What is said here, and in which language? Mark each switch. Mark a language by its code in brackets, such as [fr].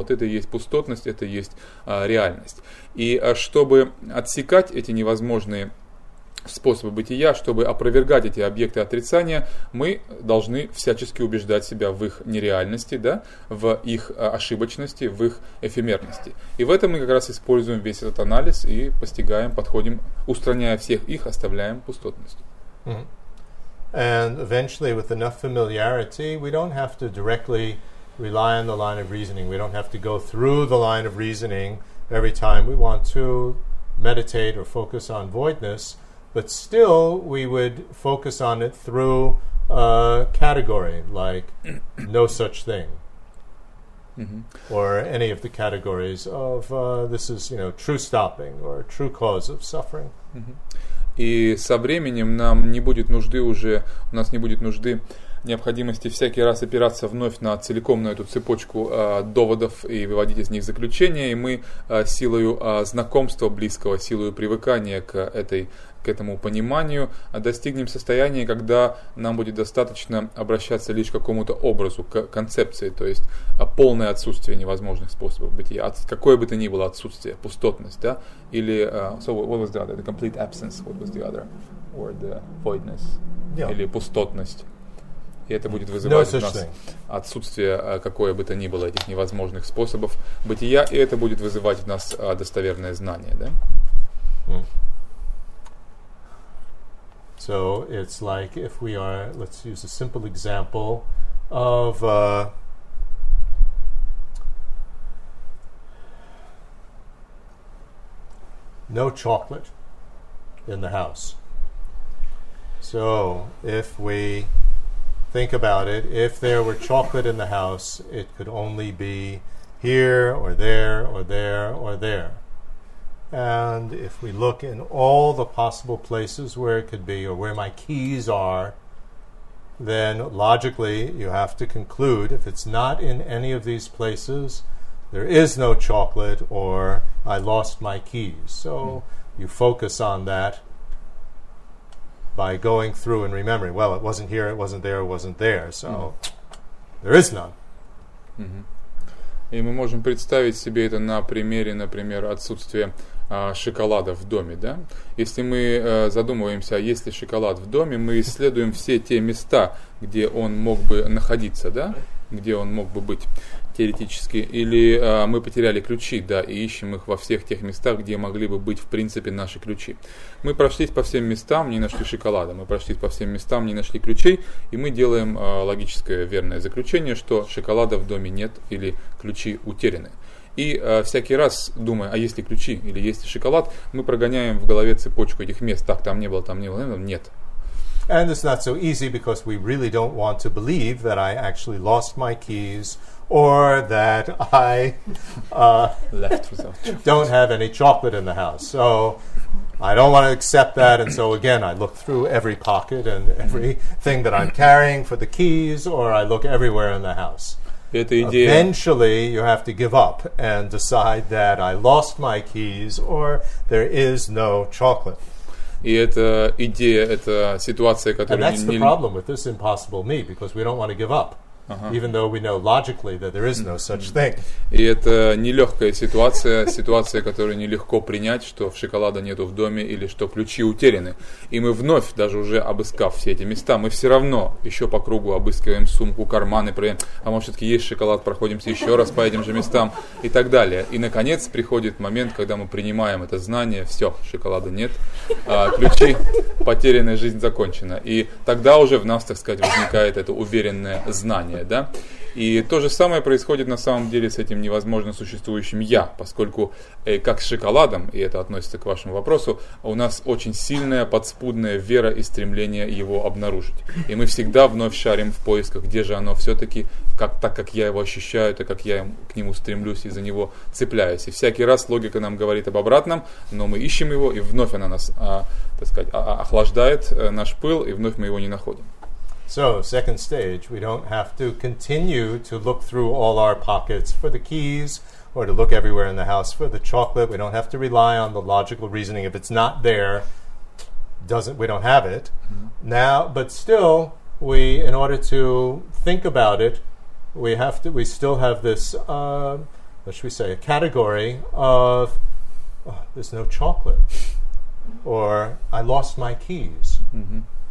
[ru] Вот это и есть пустотность, это и есть реальность. И чтобы отсекать эти невозможные способы бытия, чтобы опровергать эти объекты отрицания, мы должны всячески убеждать себя в их нереальности, да, в их ошибочности, в их эфемерности. И в этом мы как раз используем весь этот анализ и постигаем, подходим, устраняя всех их, оставляем пустотность. [en] And eventually, with enough familiarity, we don't have to directly rely on the line of reasoning. We don't have to go through the line of reasoning every time we want to meditate or focus on voidness. But still, we would focus on it through a category, like no such thing, or any of the categories of this is, you know, true stopping or true cause of suffering. [ru] И со временем нам не будет нужды уже, у нас не будет нужды, необходимости всякий раз опираться вновь на целиком на эту цепочку доводов и выводить из них заключения, и мы силою знакомства близкого, силою привыкания к этой, к этому пониманию, достигнем состояния, когда нам будет достаточно обращаться лишь к какому-то образу, к концепции, то есть полное отсутствие невозможных способов бытия, какое бы то ни было отсутствие, пустотность, да, или [en] so what was the other, the complete absence, what was the other word, the voidness, [ru] или пустотность. И это будет вызывать у нас отсутствие, какое бы то ни было, этих невозможных способов бытия, и это будет вызывать в нас достоверное знание, да? [en] So it's like if we are, let's use a simple example of no chocolate in the house. So if we think about it, if there were chocolate in the house, it could only be here or there or there or there. And if we look in all the possible places where it could be or where my keys are, then logically you have to conclude if it's not in any of these places, there is no chocolate or I lost my keys. So you focus on that by going through and remembering, well, it wasn't here, it wasn't there, it wasn't there, so there is none. [ru] И мы можем представить себе это на примере, например, отсутствия шоколада в доме, да? Если мы задумываемся, а есть ли шоколад в доме, мы исследуем все те места, где он мог бы находиться, да? Где он мог бы быть теоретически. Или мы потеряли ключи, да, и ищем их во всех тех местах, где могли бы быть, в принципе, наши ключи. Мы прошлись по всем местам, не нашли шоколада. Мы прошлись по всем местам, не нашли ключей. И мы делаем логическое верное заключение, что шоколада в доме нет или ключи утеряны. И всякий раз, думая, а есть ли ключи или есть ли шоколад, мы прогоняем в голове цепочку этих мест. Так, там не было, там не было, там нет. [en] And it's not so easy because we really don't want to believe that I actually lost my keys or that I left without chocolate. Don't have any chocolate in the house. So I don't want to accept that. And so again, I look through every pocket and everything that I'm carrying for the keys, or I look everywhere in the house. Eventually, you have to give up and decide that I lost my keys or there is no chocolate. [ru] И эта идея, эта ситуация, которую [en] And that's the problem with this impossible me, because we don't want to give up. even though we know logically that there is no such thing. [ru] И это нелегкая ситуация, ситуация, которую нелегко принять, что шоколада нету в доме или что ключи утеряны. И мы вновь, даже уже обыскав все эти места, мы все равно еще по кругу обыскиваем сумку, карманы, проверяем, а может все-таки есть шоколад, проходимся еще раз по этим же местам и так далее. И наконец приходит момент, когда мы принимаем это знание, все, шоколада нет, ключи потеряны, жизнь закончена. И тогда уже в нас, так сказать, возникает это уверенное знание, да? И то же самое происходит на самом деле с этим невозможно существующим «я», поскольку, как с шоколадом, и это относится к вашему вопросу, у нас очень сильная подспудная вера и стремление его обнаружить. И мы всегда вновь шарим в поисках, где же оно все-таки, как, так как я его ощущаю, так как я к нему стремлюсь и за него цепляюсь. И всякий раз логика нам говорит об обратном, но мы ищем его, и вновь она нас, так сказать, охлаждает наш пыл, и вновь мы его не находим. [en] So, second stage, we don't have to continue to look through all our pockets for the keys or to look everywhere in the house for the chocolate. We don't have to rely on the logical reasoning. If it's not there, doesn't we don't have it. Mm-hmm. Now, but still, we, in order to think about it, we have to. We still have this, what should we say, a category of, oh, there's no chocolate, or I lost my keys. Mm-hmm.